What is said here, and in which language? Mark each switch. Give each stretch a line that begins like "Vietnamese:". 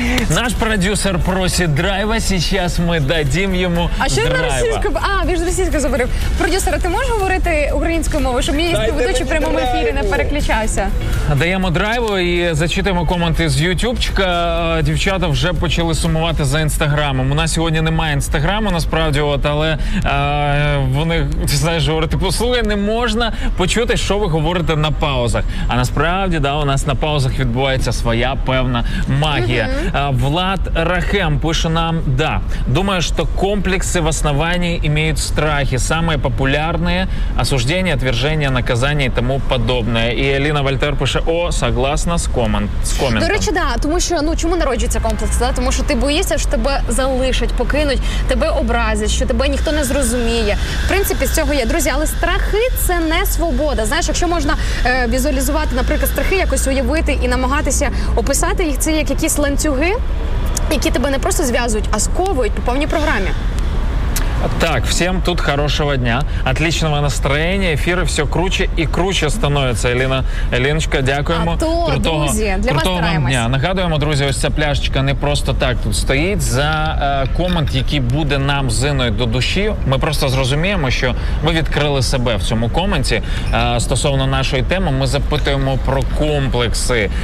Russian: наш продюсер просит драйва, сейчас мы дадим йому драйва.
Ukrainian: А що драйва. На російську? А, він ж російською заборів. Продюсер, ти можеш говорити українською мовою, щоб мій співведучий в прямому драйву. Ефірі не переключався? Даємо драйву і зачитуємо коменти з ютубчика. Дівчата вже почали сумувати за інстаграмом. У нас сьогодні немає інстаграму, насправді, от, але вони, ти знаєш, говорити, послухай, не можна почути, що ви говорите на паузах. А насправді, да, у нас на паузах відбувається своя певна магія. Влад Рахем пише нам, да, думаю, що комплекси в основанні імеють страхи.
Russian: Самые популярные – осуждение, отвержение, наказание і тому подобное.
Ukrainian: І Еліна Вольтер пише, о, согласна з коментом. До речі, да, тому що, ну, чому народжується комплекс? Да? Тому що ти боїшся, що тебе залишать, покинуть, тебе образять, що тебе ніхто не зрозуміє. В принципі, з цього є. Друзі, але страхи – це не свобода. Знаєш, якщо можна візуалізувати, наприклад, страхи, якось уявити і намагатися описати їх, це як якісь ланцюги, які тебе не просто зв'язують, а сковують по повній програмі.
Russian: Так, всем тут хорошего дня, отличного настроения, эфиры все круче и круче становятся.
Ukrainian: Елена, Еліночка, дякуємо. А то, крутого, друзі, для вас стараємось. Дня. Нагадуємо, друзі, ось ця пляшечка не просто так тут стоїть. За комент, який буде нам з Іною до душі, ми просто зрозуміємо, що ви відкрили себе в цьому коменті. Стосовно нашої теми, ми запитуємо про комплекси.